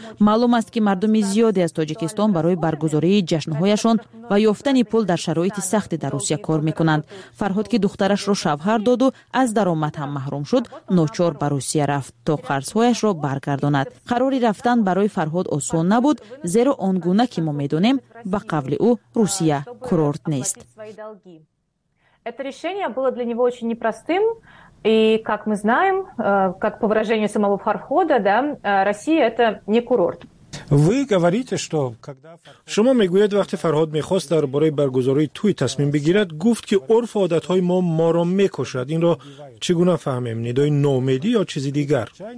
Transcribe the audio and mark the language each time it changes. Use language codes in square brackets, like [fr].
[fa] معلوم است که مردم زیادی از تاجیکستان برای برگزاری جشن هایشان و یافتن پول در شرایط سخت در روسیه کار میکنند. فرهاد که دخترش را شوهر داد و از درآمد هم محروم شد، ناچار به روسیه رفت تا سویش را برگرداند. قراری رفتن برای فرهاد آسان نبود، زیرا آنگونه که ما می دانیم به قول او روسیه کورورت نیست. [ru] Это решение было для него очень непростым, и как мы знаем, как по выражению самого Фархода, да, Россия это не курорт. Ви говорите, что когда [fa] شما میگویید وقتی فرهاد میخواست در برای برگزاری توی تصمیم بگیرد، گفت که عرف و عادت های ما ما را میکشد. این را چگونه فهمیم؟ ندای نومیدی یا چیزی دیگر؟